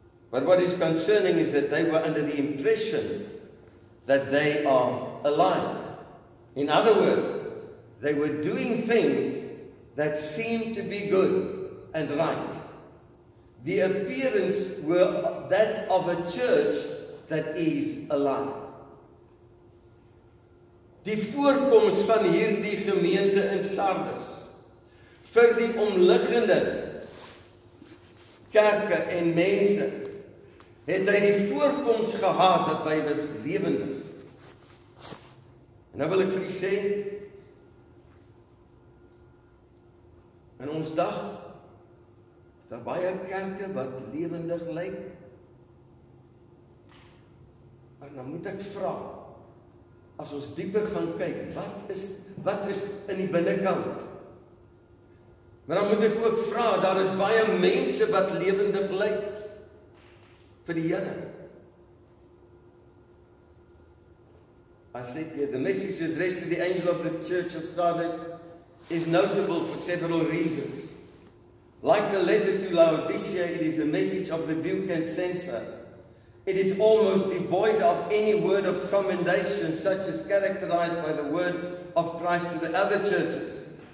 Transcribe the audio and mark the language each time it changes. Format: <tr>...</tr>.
<en>But what is concerning is that they were under the impression that they are alive. In other words, they were doing things that seemed to be good and right. The appearance were that of a church that is alive.</en> <af>Die voorkoms van hierdie gemeente in Sardis vir die omliggende kerke en mense het hy die voorkoms gehad dat hy was lewendig. En nou wil ek vir u sê, in ons dag is daar baie kerke wat lewendig lyk. En dan moet ek vra, as ons dieper gaan kyk, wat is in die binnenkant? Maar dan moet ek ook vra, daar is baie mense wat lewendig lyk vir die Here.</af> <en>I said here, the message addressed to the angel of the church of Sardis is notable for several reasons. Like the letter to Laodicea, it is a message of rebuke and censure. It is almost devoid of any word of commendation such as characterized by the word of Christ to the other churches.</en>